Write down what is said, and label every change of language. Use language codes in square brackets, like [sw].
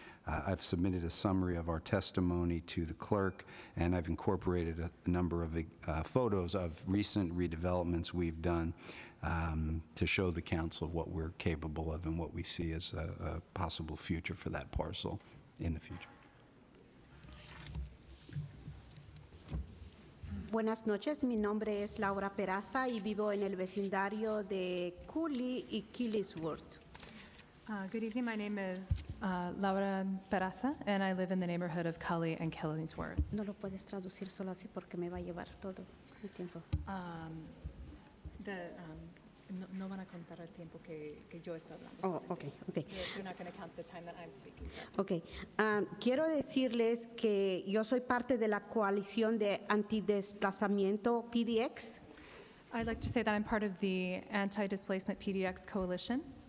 [en] I've submitted a summary of our testimony to the clerk, and I've incorporated a number of photos of recent redevelopments we've done to show the council what we're capable of and what we see as a possible future for that parcel in the future. [es] Buenas noches. Mi nombre es Laura Peraza, y vivo en el vecindario de Cooley y Killisworth. [en] Good evening. My name is Laura Peraza, and I live in the neighborhood of Cully and Killingsworth. [es] No lo puedes traducir solo así porque me va a llevar todo el tiempo. No van a contar el tiempo que yo estoy hablando. [en] Oh, okay. Okay. You're not going to count the time that I'm speaking. But. Okay. [es] Quiero decirles que yo soy parte de la coalición de antidesplazamiento PDX. [en] I'd like to say that I'm part of the anti-displacement PDX coalition.